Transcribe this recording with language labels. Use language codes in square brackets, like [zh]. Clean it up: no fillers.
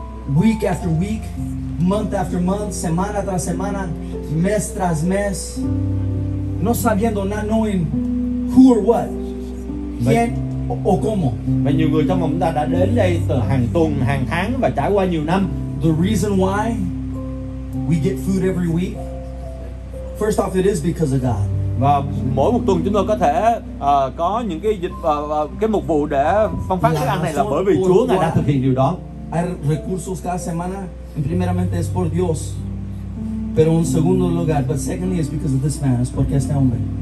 [en] week after week, month after month, [es] semana tras semana, mes tras mes, no sabiendo, [en] not knowing who or what, [es] quién o cómo. [vi] Và nhiều người trong chúng ta đã đến đây từ hàng tuần, hàng tháng và trải qua nhiều năm. [en] The reason why we get food every week, first off, it is because of God. [vi] Và mỗi một tuần chúng tôi có thể có những cái dịch cái mục vụ để phân phát thức ăn này là bởi vì Chúa Ngài đã thực hiện điều đó. [es] Hay recursos cada semana, primeramente es por Dios, pero en segundo lugar, [en] but secondly is because of this man, [es] es porque este hombre.